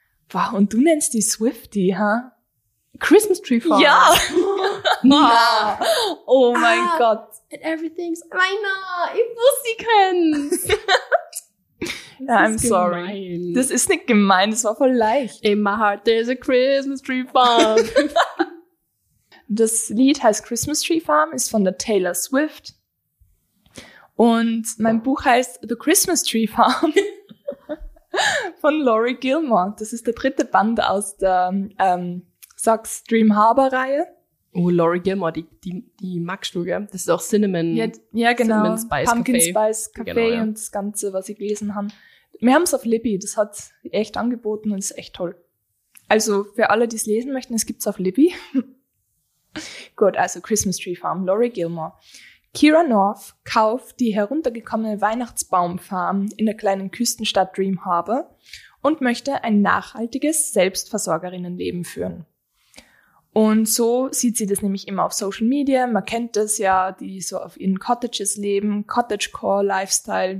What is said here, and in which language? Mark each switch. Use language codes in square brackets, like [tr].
[de] Wow, und du nennst die Swiftie, ha? Huh? [en] Christmas Tree Farm. [de] Ja. Oh mein Gott. [en] And everything's, I know, [de] ich muss sie kennen. [en] Ja, I'm sorry. [de] Gemein. Das ist nicht gemein, das war voll leicht. [en] In my heart there's a Christmas Tree Farm. [de] Das Lied heißt Christmas Tree Farm, ist von der Taylor Swift. Und mein Buch heißt The Christmas Tree Farm von Laurie Gilmore. Das ist der 3. Band aus der Sachs Dream Harbor Reihe. Oh, Laurie Gilmore, die magst du, gell? Das ist auch Cinnamon. Ja, genau. Cinnamon Spice Pumpkin Café. Pumpkin Spice Café, genau, ja. Und das Ganze, was ich gelesen habe. Wir haben es auf Libby, das hat echt angeboten und ist echt toll. Also für alle, die es lesen möchten, es gibt's auf Libby. Gut, also Christmas Tree Farm, Laurie Gilmore. Kira North kauft die heruntergekommene Weihnachtsbaumfarm in der kleinen Küstenstadt Dream Harbor und möchte ein nachhaltiges Selbstversorgerinnenleben führen. Und so sieht sie das nämlich immer auf Social Media. Man kennt das ja, die so auf ihren Cottages leben, Cottagecore-Lifestyle.